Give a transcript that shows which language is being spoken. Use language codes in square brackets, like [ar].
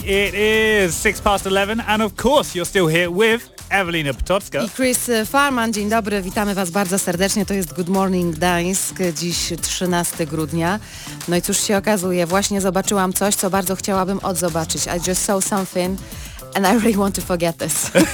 [en] It is 11:06 and of course you're still here with Ewelina Potocka [pl] i Chris Farman. Dzień dobry, witamy Was bardzo serdecznie. To jest Good Morning Gdańsk, dziś 13 grudnia. No i cóż się okazuje, właśnie zobaczyłam coś, co bardzo chciałabym odzobaczyć. [en] I just saw something and I really want to forget this.